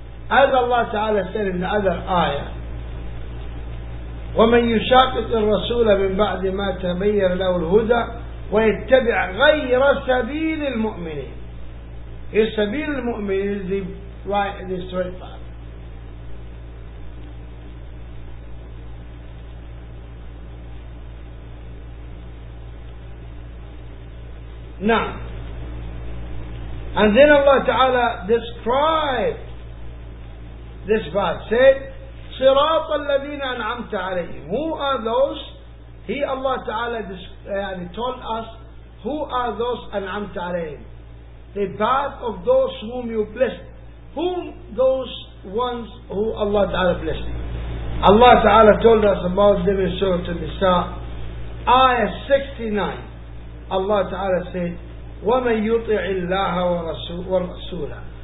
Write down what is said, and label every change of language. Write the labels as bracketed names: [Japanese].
[English] As Allah Ta'ala said in the other ayah, [Arabic] وَمَنْ يُشَاقِقِ الرَّسُولَ مِنْ بَعْدِ مَا تَبَيَّرَ لَهُ الْهُدَى وَيَتَّبِعْ غَيْرَ سَبِيلِ الْمُؤْمِنِينَ. [English] His [Arabic] سبيل المؤمنين [English] is the right, the straight path. Now, and then Allah Ta'ala described this path, said, [Arabic] صراط الذين أنعمت عليهم. [English] Who are those? He, Allah Ta'ala, told us, who are those [Arabic] أنعمت عليهم? [English] The path of those whom you blessed. Whom those ones who Allah Ta'ala blessed? Allah Ta'ala told us about them in Surah An-Nisa, Ayah 69. [Arabic] Allah Ta'ala said, وَمَنْ يُطِعِ اللَّهَ وَرَسُولَهُ.